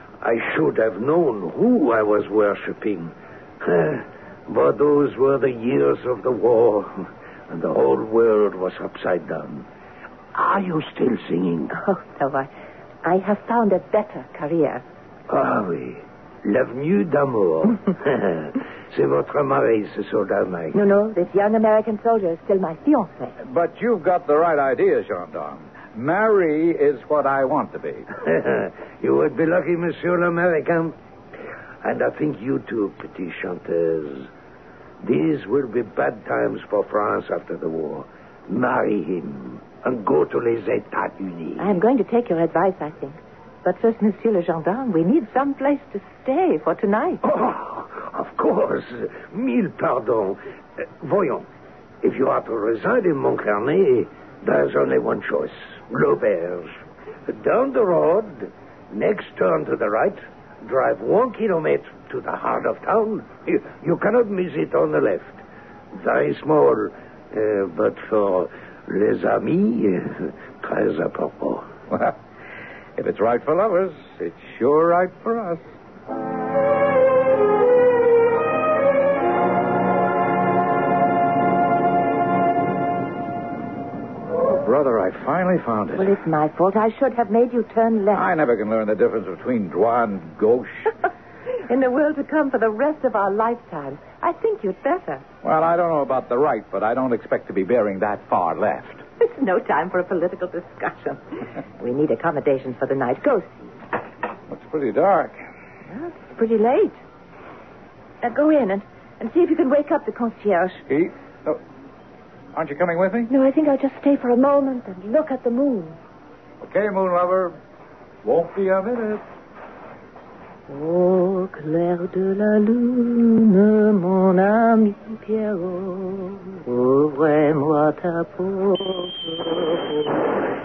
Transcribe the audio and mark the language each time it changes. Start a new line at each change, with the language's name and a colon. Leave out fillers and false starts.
English: I should have known who I was worshipping. But those were the years of the war, and the whole world was upside down. Are you still singing? Oh, no, I have found a better career.
French: Ah oui, l'avenue d'amour. C'est votre mari, ce soldat, Mike.
English: No, this young American soldier is still my fiancé. But you've got the right idea, gendarme. Marry is what I want to be. You would be lucky, Monsieur l'American. And I think you too,
French: petite chanteuse.
English: These will be bad times for France after the war. Marry him and go to les États-Unis. I am going to take your advice, I think. But first, Monsieur le Gendarme, we need some place to stay for tonight. Oh, of course.
French: Mille pardons. Voyons.
English: If you are to reside in Montcarnet, there's only one choice. L'auberge. Down the road, next turn to the right, drive 1 kilometer, to the heart of town. You cannot miss it on the left. Very small, but for
French: les amis, très à propos.
English: Well, if it's right for lovers, it's sure right for us. Brother, I finally found it. Well, it's my fault. I should have made you turn left. I never can learn the difference between droit and gauche. In the world to come for the rest of our lifetime, I think you'd better. Well, I don't know about the right, but I don't expect to be bearing that far left. It's no time for a political discussion. We need accommodation for the night. Go see. It's pretty dark. Well, it's pretty late. Now, go in and see if you can wake up the concierge. He? Aren't you coming with me? No, I think I'll just stay for a moment and look at the moon. Okay, moon lover. Won't be a minute.
French: Au clair de la lune, mon ami Pierrot, ouvrez-moi ta porte.